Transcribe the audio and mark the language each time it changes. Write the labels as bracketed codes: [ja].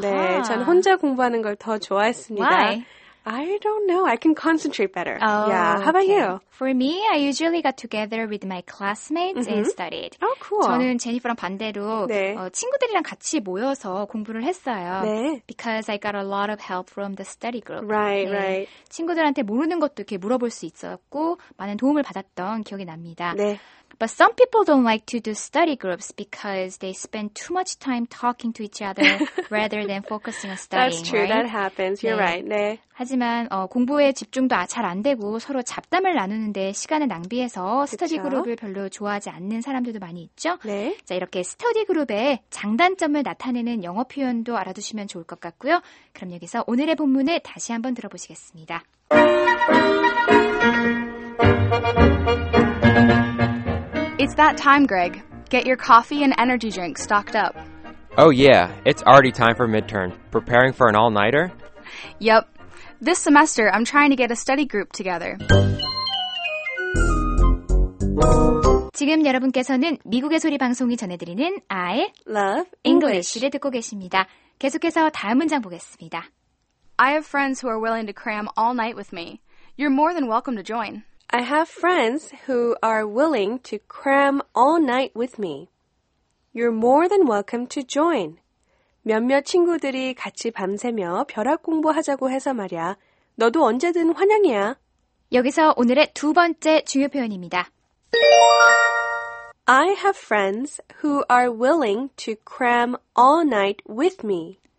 [ko] 네, 전 혼자 공부하는 걸 더 좋아했습니다. [en] Why? I don't know. I can concentrate better. Oh, yeah. How about you? For me, I usually got together with my classmates mm-hmm. and studied. Oh, cool. [ko] 저는 제니퍼랑 반대로 네. 친구들이랑 같이 모여서 공부를 했어요. 네. [en] Because I got a lot of help from the study group. Right, [ko] 네. [en] right. [ko] 친구들한테 모르는 것도 이렇게 물어볼 수 있었고 많은 도움을 받았던 기억이 납니다. 네. [en] But some people don't like to do study groups because they spend too much time talking to each other rather than focusing on studying. That's true. Right? That happens. You're [ko] 네. [en] right. 네. [ko] 하지만 공부에 집중도 잘 안 되고 서로 잡담을 나누는데 시간을 낭비해서 스터디 그룹을 별로 좋아하지 않는 사람들도 많이 있죠. 네. 자, 이렇게 스터디 그룹의 장단점을 나타내는 영어 표현도 알아두시면 좋을 것 같고요. 그럼 여기서 오늘의 본문을 다시 한번 들어보시겠습니다. [en] It's that time, Greg. Get your coffee and energy drink stocked up. Oh, yeah. It's already time for midterm. Preparing for an all-nighter? Yep. This semester, I'm trying to get a study group together. [ko] 지금 여러분께서는 미국의 소리 방송이 전해드리는 I [en] Love [ko] English를 듣고 계십니다. 계속해서 다음 문장 보겠습니다. [en] I have friends who are willing to cram all night with me. You're more than welcome to join. I have friends who are willing to cram all night with me. You're more than welcome to join. [ko] 몇몇 친구들이 같이 밤새며 벼락 공부하자고 해서 말이야. 너도 언제든 환영이야. 여기서 오늘의 두 번째 중요 표현입니다. [en] I have friends who are willing to cram all night with me.